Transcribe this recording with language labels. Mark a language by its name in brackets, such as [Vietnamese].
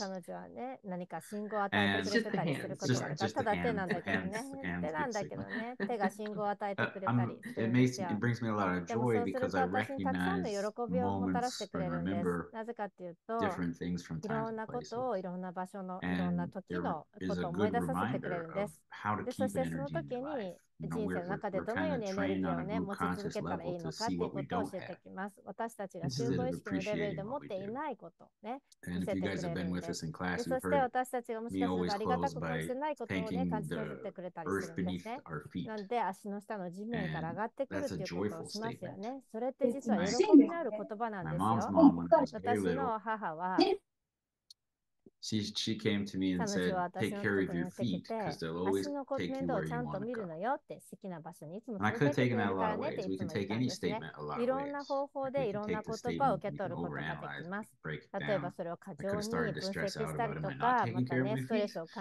[English] And it brings me a lot of joy because I recognize moments and remember different things from time to place. And there is a good reminder of how to keep an energy in your life. [Japanese] 人生の中でどのようにエネルギーを、ね、持ち続けたらいいのかということを教えてきます。私たちが集合意識のレベルで持っていないことを、ね、見せてくれるんです。で、そして私たちがもしかするとありがたく感じてないことを、ね、感じ取ってくれたりするんですね。なので足の下の地面から上がってくるということをしますよね。それって実は喜びのある言葉なんですよ。私の母は [English] She came to me and said, take care of your feet because they'll always take you where you want to go. And I could have taken that a lot of ways. We can take any statement a lot of ways. We can take the statement and overanalyze it, break it down. I could have started to stress out about it. Am I not taking care of my feet?